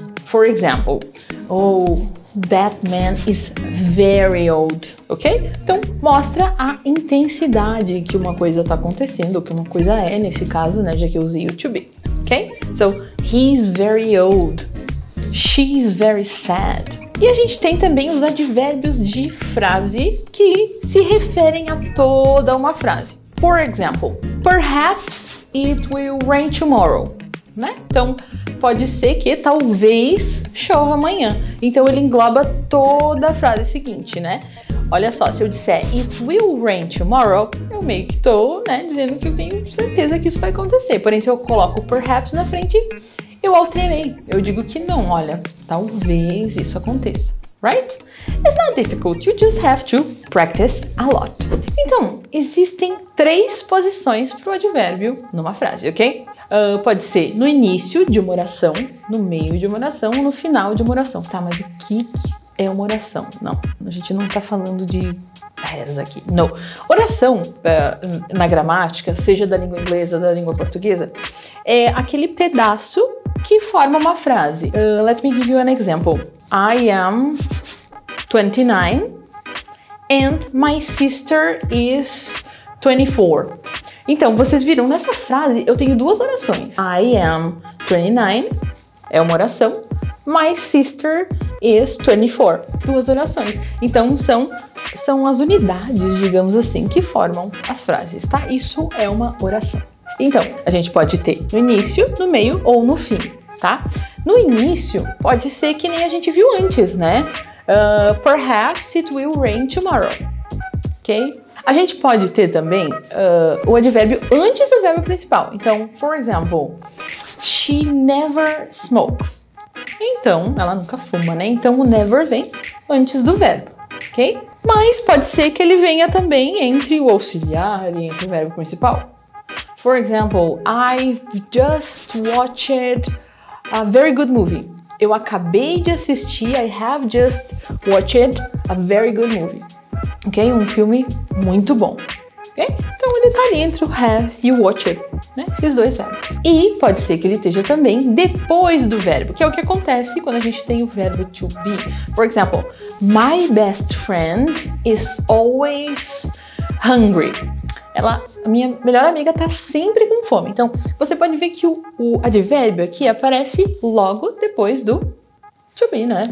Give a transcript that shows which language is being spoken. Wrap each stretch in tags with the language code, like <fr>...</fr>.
<en>For example, oh, that man is very old, ok?</en> <pt>Então, mostra a intensidade que uma coisa tá acontecendo, que uma coisa é, nesse caso, né, já que eu usei o to be. Ok?</pt> <en>So, he's very old, she's very sad.</en> <pt>E a gente tem também os advérbios de frase que se referem a toda uma frase.</pt> <en>For example, perhaps it will rain tomorrow. Né?</en> <pt>Então, pode ser que talvez chova amanhã. Então, ele engloba toda a frase seguinte, né? Olha só, se eu disser</pt> <en>it will rain tomorrow,</en> <pt>eu meio que tô, né, dizendo que eu tenho certeza que isso vai acontecer. Porém, se eu coloco perhaps na frente, eu alterei. Eu digo que não, olha, talvez isso aconteça, right?</pt> <en>It's not difficult, you just have to practice a lot.</en> <pt>Então, existem três posições pro advérbio numa frase, ok? Pode ser no início de uma oração, no meio de uma oração, no final de uma oração. Tá, mas o que é uma oração? Não, a gente não tá falando de reza aqui. Não. Oração, na gramática, seja da língua inglesa, da língua portuguesa, é aquele pedaço que forma uma frase.</pt> <en>Let me give you an example. I am 29 and my sister is 24.</en> <pt>Então, vocês viram, nessa frase eu tenho duas orações.</pt> <en>I am 29</en> <pt>é uma oração.</pt> <en>My sister is 24.</en> <pt>Duas orações. Então, são as unidades, digamos assim, que formam as frases, tá? Isso é uma oração. Então, a gente pode ter no início, no meio ou no fim, tá? No início, pode ser que nem a gente viu antes, né?</pt> <en>Perhaps it will rain tomorrow. Ok?</en> <pt>A gente pode ter também o advérbio antes do verbo principal.</pt> <en>Então, for example, she never smokes.</en> <pt>Então, ela nunca fuma, né? Então, o never vem antes do verbo, ok? Mas pode ser que ele venha também entre o auxiliar e entre o verbo principal.</pt> <en>For example, I've just watched a very good movie.</en> <pt>Eu acabei de assistir,</pt> <en>I have just watched a very good movie.</en> <pt>Ok? Um filme muito bom. Ok? Então ele tá ali entre o have e o watched, né? Esses dois verbos. E pode ser que ele esteja também depois do verbo, que é o que acontece quando a gente tem o verbo to be.</pt> <en>For example, my best friend is always hungry.</en> <pt>Ela, a minha melhor amiga tá sempre com fome. Então você pode ver que o advérbio aqui aparece logo depois do to be, né?</pt>